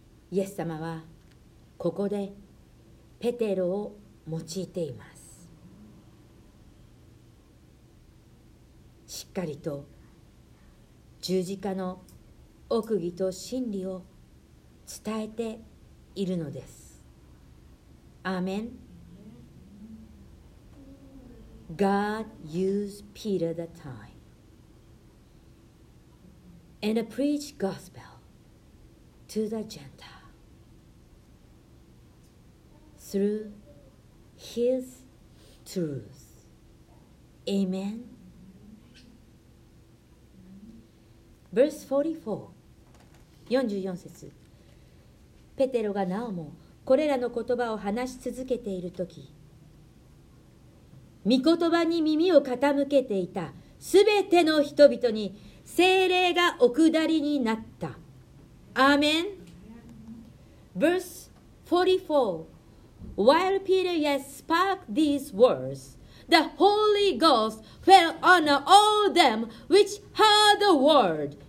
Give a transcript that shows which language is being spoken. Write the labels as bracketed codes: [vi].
[ja] イエス様はここでペテロを用いています。しっかりと十字架の奥義と真理を伝えているのです。アーメン。 [en] God used Peter that time and preached gospel to the Gentile through his truth. Amen. Verse 44節。 [ja] ペテロがなおもこれらの言葉を話し続けているとき、御言葉に耳を傾けていたすべての人々に聖霊がお下りになった。アーメン。 [en] Verse 44. While Peter yet spoke these words, the Holy Ghost fell on all them which heard the word.